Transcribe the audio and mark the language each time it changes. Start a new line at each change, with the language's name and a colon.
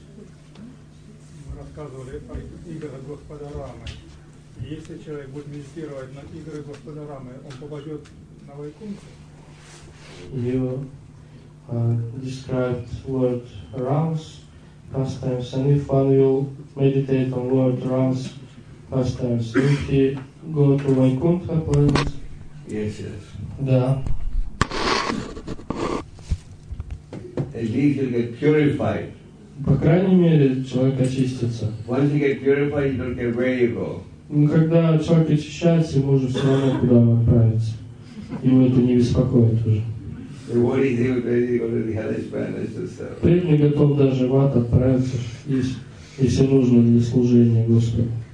Russian: Мы рассказывали о играх Господа Рамы. Если человек будет медитировать на игры Господа Рамы, он попадет на Вайкунте?
English: You described word Rams pastimes, and if one will meditate on Lord Ram's pastimes, will he go to Vaikuntha place? Yes, yes.
Russian: Da.
English: At least he'll get purified.
Russian: По крайней мере, человек очистится.
English: Once you get purified, you don't care where you go.
Russian: Ну, когда человек очищается, ему уже все равно куда отправиться. Ему это не беспокоит уже. Преп не готов даже в ад отправиться, если нужно для служения Господу.